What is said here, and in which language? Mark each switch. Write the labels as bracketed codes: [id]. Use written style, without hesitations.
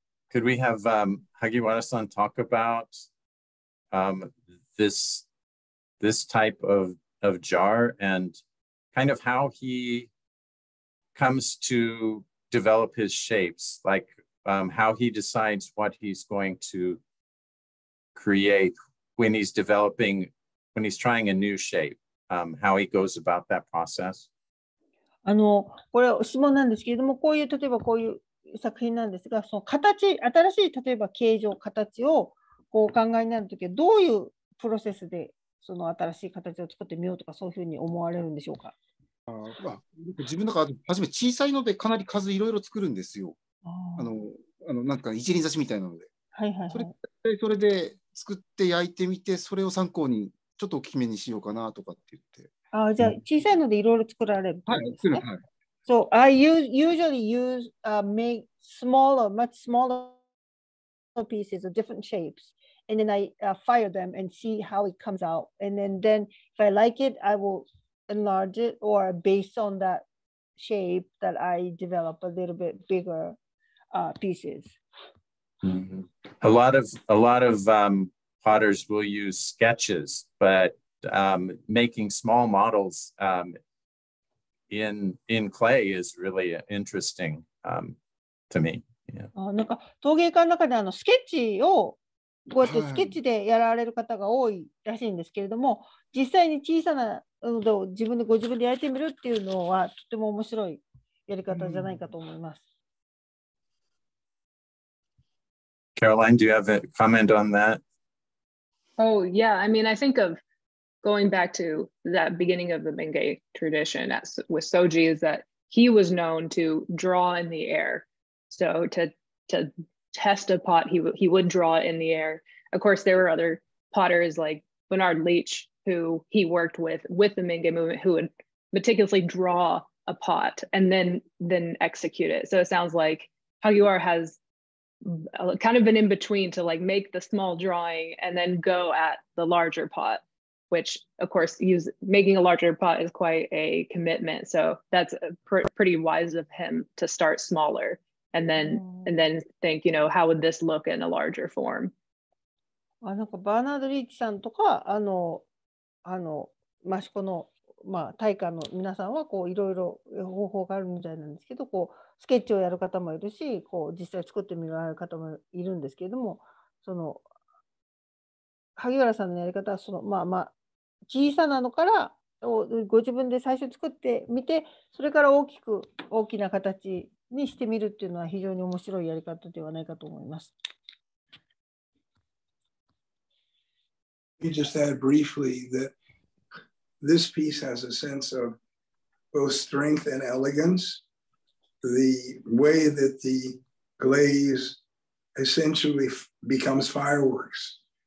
[en] Could we have Hagiwara-san talk about this type of jar and kind of how he comes to develop his shapes, like how he decides what he's going to create when he's developing, when he's trying a new shape, how he goes about that process? [ja] あの、これは質問なんですけれども、こういう、例えばこういう、作品なんですが、その形、新しい例えば形状、形をこうお考えになるときはどういうプロセスでその新しい形を作ってみようとか、そういうふうに思われるんでしょうか。自分の中は初め小さいのでかなり数いろいろ作るんですよ。あのなんか一輪差しみたいなので、はいはいはい、それで作って焼いてみて、それを参考にちょっと大きめにしようかなとかって言って、あ、じゃあ小さいのでいろいろ作られるんですね。はい、作る、はい。 [en] So I usually make smaller, much smaller pieces of different shapes, and then I fire them and see how it comes out. And then if I like it, I will enlarge it or based on that shape that I develop a little bit bigger pieces. Mm-hmm. A lot of potters will use sketches, but making small models in clay is really interesting to me. Yeah. [ja] なんか陶芸家の中であのスケッチをこうやってスケッチでやられる方が多いらしいんですけれども、実際に小さなのを自分でご自分でやってみるっていうのはとても面白いやり方じゃないかと思います。 [en] Caroline, do you have a comment on that? Oh yeah, I mean, I think of going back to that beginning of the Mingei tradition with Shoji is that he was known to draw in the air. So to test a pot, he would draw in the air. Of course, there were other potters like Bernard Leach, who he worked with the Mingei movement, who would meticulously draw a pot and then execute it. So it sounds like Hagiwara has kind of been in between to like make the small drawing and then go at the larger pot. Which of course making a larger pot is quite a commitment. So that's pretty wise of him to start smaller and then think, you know, how would this look in a larger form? [ja] あ、なんかバーナード・リーチさんとか、あの、マシコの、まあ、大家の皆さんはこういろいろ方法があるみたいなんですけど、こうスケッチをやる方もいるし、こう実際作ってみられる方もいるんですけれども、その萩原さんのやり方はそのまあまあ小さなのからご自分で最初作ってみて、それから大きな形にしてみるっていうのは非常に面白いやり方ではないかと思います。 [en] You just add briefly that this piece has a sense of both strength and elegance. The way that the glaze essentially becomes fireworks.